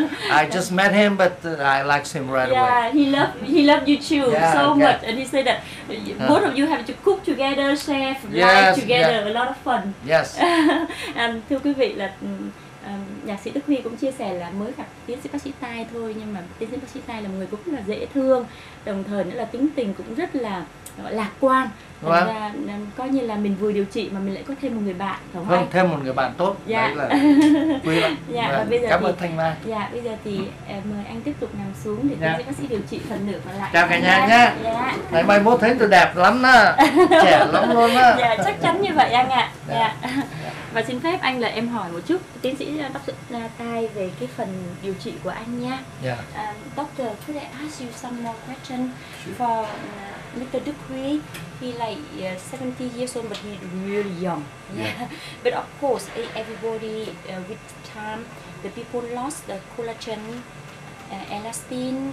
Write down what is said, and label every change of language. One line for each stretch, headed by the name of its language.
English: I just met him, but I liked him right away. Yeah, he loved you too much, and he said that both of you have to cook together, share life together, a lot of fun. Yes.
Vietnamese: And thưa quý vị là nhạc sĩ Đức Huy cũng chia sẻ là mới gặp tiến sĩ bác sĩ Tai thôi, nhưng mà tiến sĩ bác sĩ Tai là một người cũng rất là dễ thương, đồng thời nữa là tính tình cũng rất là lạc quan. Và coi như là mình vừa điều trị mà mình lại có thêm một người bạn, phải không? Vâng, thêm một người bạn tốt. Dạ. Đấy là quý lắm. Dạ, và bây giờ cảm thì, ơn Thanh Mai. Dạ, bây giờ thì mời anh tiếp tục nằm xuống để tiến sĩ bác sĩ điều trị phần nửa còn lại. Chào cả nhà nhé. Dạ. Ngày mai mốt thấy tôi đẹp lắm đó, trẻ lắm luôn đó. Dạ, chắc chắn như vậy anh ạ. Dạ. Và xin phép anh là em hỏi một chút tiến sĩ bác sĩ Tai về cái phần điều trị của anh nha.
English: Doctor, could I ask you some more question for Mr. Đức Huy? He like 70 years old, but he's really young. But of course, everybody with time, the people lost the collagen, elastin,